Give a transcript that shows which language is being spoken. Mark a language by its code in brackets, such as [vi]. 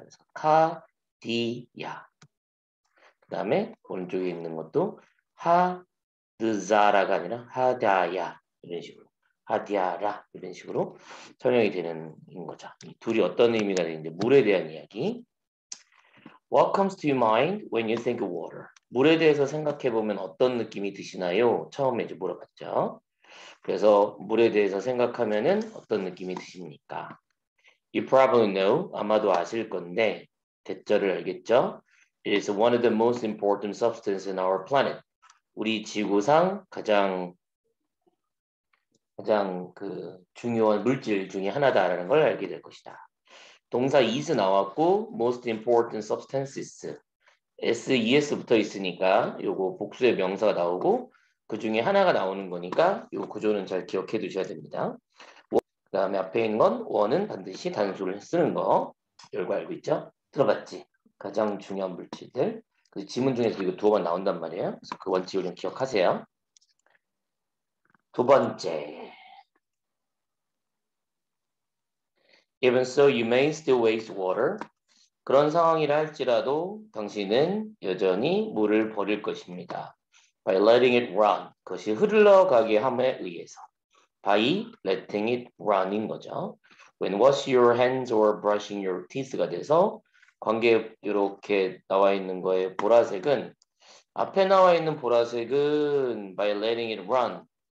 [ko] 그래서 카디야. 그 다음에 오른쪽에 있는 것도 하드자라가 아니라 하다야 이런 식으로 하디아라 이런 식으로 전형이 되는 거죠. 이 둘이 어떤 의미가 되는지 물에 대한 이야기. [en] What comes to your mind when you think of water? [ko] 물에 대해서 생각해보면 어떤 느낌이 드시나요? 처음에 이제 물어봤죠. 그래서 물에 대해서 생각하면은 어떤 느낌이 드십니까? You probably know, 아마도 아실 건데, 대절을 알겠죠? [en] It is one of the most important substances in our planet. [ko] 우리 지구상 가장 그 중요한 물질 중에 하나다라는 걸 알게 될 것이다. 동사 is 나왔고 [en] most important substances [ko] S-E-S 붙어 있으니까 요거 복수의 명사가 나오고 그 중에 하나가 나오는 거니까 요 구조는 잘 기억해 두셔야 됩니다. 그 다음에 앞에 있는 건 원은 반드시 단수를 쓰는 거 열고 알고 있죠? 들어봤지? 가장 중요한 물질들 그 지문 중에서 이거 두 번 나온단 말이에요. 그래서 그 원칙을 좀 기억하세요. 두 번째 [en] Even so, you may still waste water. [ko] 그런 상황이라 할지라도 당신은 여전히 물을 버릴 것입니다. [en] By letting it run. [ko] 그것이 흘러가게 함에 의해서. [en] By letting it run [ko] 인 거죠. [en] When wash your hands or brushing your teeth [ko] 가 돼서 관계 이렇게 나와 있는 거에 보라색은 앞에 나와 있는 보라색은 [en] by letting it run.